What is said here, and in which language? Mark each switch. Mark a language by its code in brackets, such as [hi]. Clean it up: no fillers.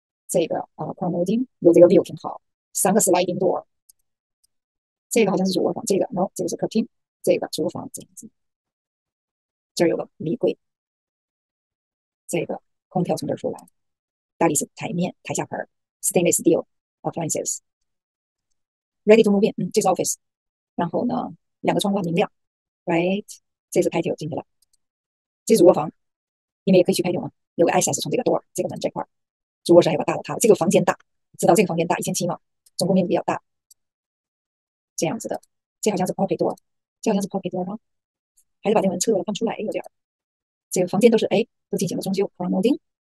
[zh] 这个promoting 有这个 view 挺好，三个 sliding door，这个好像是主卧房，这个 no 这个是客厅，这个厨房这样子，这儿有个立柜，这个空调从这儿出来，大理石台面台下盆。 [en] Stainless steel appliances, ready to move in. [zh] 嗯，这是 office，然后呢，两个窗户明亮，right？这是 patio 进去了，这是主卧房，因为也可以去 patio 嘛，有个 access 从这个 door 这个门这块，主卧室还有个大的，这个房间大，知道这个房间大1700嘛，总共面积比较大，这样子的，这好像是 pocket door，这好像是 pocket door 啊，还是把这门撤了放出来有点，这个房间都是哎都进行了装修 promoting。